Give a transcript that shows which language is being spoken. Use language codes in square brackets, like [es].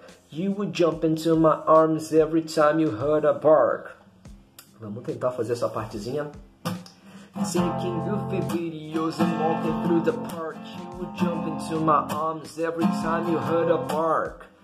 [en] You would jump into my arms every time you heard a bark. [pt] Vamos tentar fazer essa partezinha. [en] Taking goofy videos and walking through the park. You would jump into my arms every time you heard a bark.